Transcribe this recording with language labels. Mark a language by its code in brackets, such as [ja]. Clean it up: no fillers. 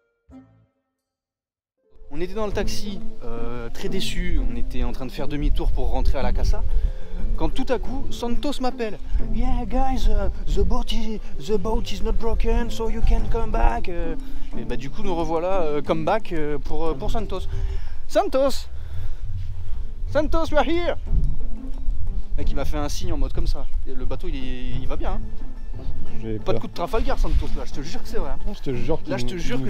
[fr] Voilà. On était dans le taxi, très déçu. On était en train de faire demi-tour pour rentrer à la Casa. Quand tout à coup, Santos m'appelle. [en] Yeah guys, the boat is not broken, so you can come back. [fr] Et bah du coup, nous revoilà, [en] come back [fr] pour Santos. [en] Santos, you are here. [fr] Le mec, il m'a fait un signe en mode comme ça. Et le bateau, il va bien. Hein. J'ai pas de coup de Trafalgar, Santos, là, je te jure que c'est vrai. Je te jure que